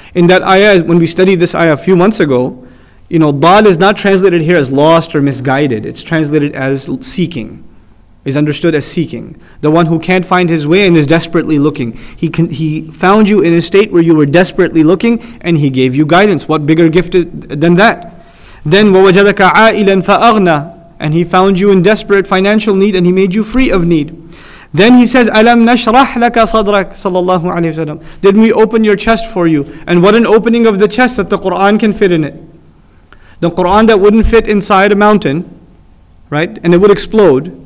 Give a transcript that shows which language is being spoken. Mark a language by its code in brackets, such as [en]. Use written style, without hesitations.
[en] In that ayah, when we studied this ayah a few months ago, you know, ضَال is not translated here as lost or misguided. It's translated as seeking. Is understood as seeking. The one who can't find his way and is desperately looking. He found you in a state where you were desperately looking and he gave you guidance. What bigger gift than that? Then, [ar] وَوَجَدَكَ عَائِلًا فَأَغْنَى. [en] And he found you in desperate financial need and he made you free of need. Then he says, [ar] أَلَمْ نَشْرَحْ لَكَ صَدْرَكَ sallallahu alayhi wa sallam. [en] Didn't we open your chest for you? And what an opening of the chest that the Qur'an can fit in it. The Qur'an that wouldn't fit inside a mountain, right, and it would explode.